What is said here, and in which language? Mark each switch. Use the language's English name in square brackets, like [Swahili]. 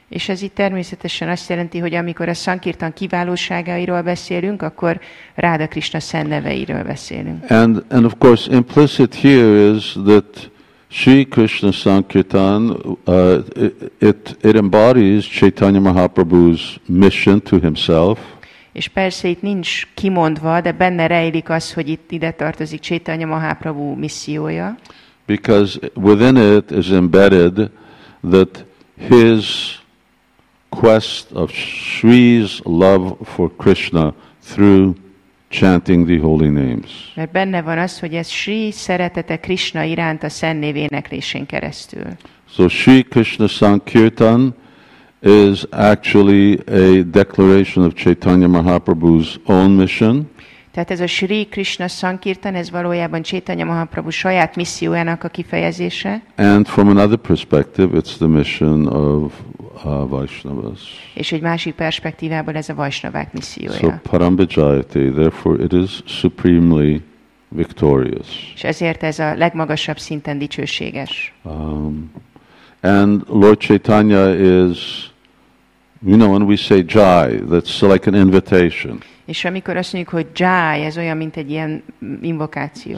[Hungarian] És ez itt természetesen azt jelenti, hogy amikor a Sankirtan kiválóságairól beszélünk, akkor Radha Krishna szent neveiről beszélünk. [English] And of course implicit here is that Sri Krishna Sankirtan it embodies Chaitanya Mahaprabhu's mission to himself. [Hungarian] És persze itt nincs kimondva, de benne rejlik az, hogy itt ide tartozik Chaitanya Mahaprabhu missziója. [English] Because within it is embedded that his quest of Sri's love for Krishna through chanting the holy names. [Hungarian] Mert benne van az, hogy ez Sri szeretete Krishna iránt a szent név éneklésén keresztül. [English] So Sri Krishna Sankirtan is actually a declaration of Chaitanya Mahaprabhu's own mission. [Hungarian] Tehát ez a Sri Krishna Sankirtan, ez valójában Chaitanya Mahaprabhu saját missziójának a kifejezése. [English] And from another perspective, it's the mission of Vaishnavas. [Hungarian] És egy másik perspektívából ez a Vaishnavák missziója. [English] So Parambajayate, therefore it is supremely victorious. [Hungarian] És ezért ez a legmagasabb szinten dicsőséges. [English] And Lord Chaitanya is, you know, when we say Jai, that's like an invitation. [Hungarian] És amikor azt mondjuk, hogy Jai, ez olyan, mint egy ilyen invokáció.